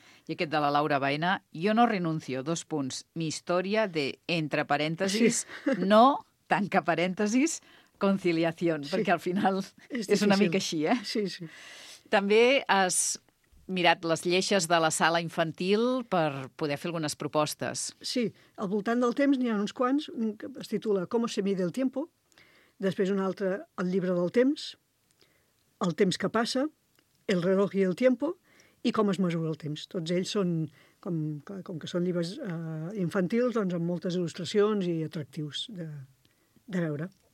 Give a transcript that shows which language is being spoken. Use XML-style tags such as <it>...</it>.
<ca>I aquest de la Laura Baena,</ca> <es>Yo no renuncio,</es> <ca>2 punts,</ca> <es>mi historia de,</es> <ca>entre parèntesis, sí. No, tanca parèntesis, conciliación, sí. Perquè al final és una mica així, eh? Sí, sí. També has mirat les lleixes de la sala infantil per poder fer algunes propostes. Sí, al voltant del temps n'hi ha uns quants, un que es titula</ca> <es>¿Cómo se mide el tiempo?</es> <ca>Després un altre, El llibre del temps, El temps que passa,</ca> <es>El reloj y el tiempo,</es> <ca>i com es mesura el temps. Tots ells són, com que són llibres infantils, doncs amb moltes il·lustracions i atractius de veure.</ca>